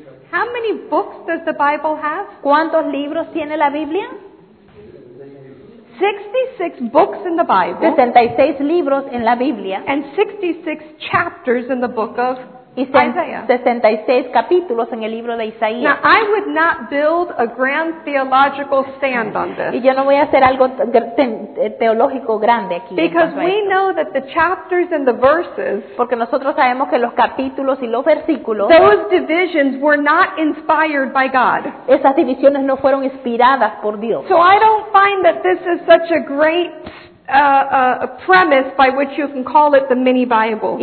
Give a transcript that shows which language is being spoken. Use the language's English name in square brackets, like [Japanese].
[English] How many books does the Bible have? [Spanish] ¿Cuántos libros tiene la Biblia? [English] 66 books in the Bible. [Spanish] 66 libros en la Biblia. [English] And 66 chapters in the book of Isaiah. [Spanish] 66 capítulos en el libro de Isaías. [English] Now, I would not build a grand theological stand on this. [Spanish] Y yo no voy a hacer algo teológico grande aquí. [English] Because we know that the chapters and the verses. [Spanish] Porque nosotros sabemos que los capítulos y los versículos. [English] Those divisions were not inspired by God. [Spanish] Esas divisiones no fueron inspiradas por Dios. [English] So I don't find that this is such a great a premise by which you can call it the mini Bible.